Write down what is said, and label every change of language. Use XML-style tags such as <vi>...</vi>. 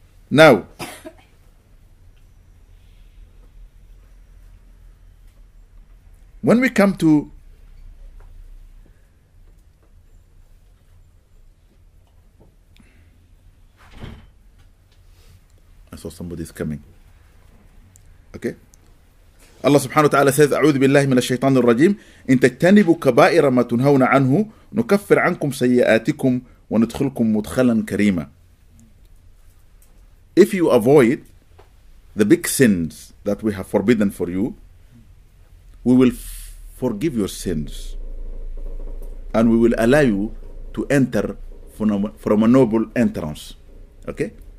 <en>Now, when we come to somebody's coming. Okay? Allah subhanahu wa ta'ala says,</en> <ar>أعوذ بالله من الشيطان الرجيم إن تجتنبوا كبائر ما تنهون عنه نكفر عنكم سيئاتكم وندخلكم مدخلا كريما.</ar> <en>If you avoid the big sins that we have forbidden for you, we will forgive your sins and we will allow you to enter from a noble entrance. Okay?</en>